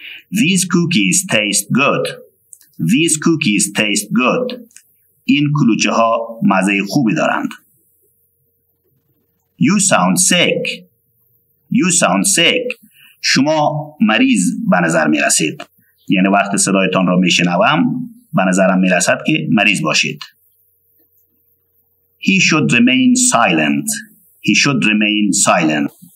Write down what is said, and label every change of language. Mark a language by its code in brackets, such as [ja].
[en] These cookies taste good. These cookies taste good. [fa] این کلوچه ها مزه خوبی دارند. [en] You sound sick. You sound sick. [fa] شما مریض به نظر می رسید. یعنی وقت صدایتان را می شنوم به نظرم می رسد که مریض باشید. [en] He should remain silent. He should remain silent.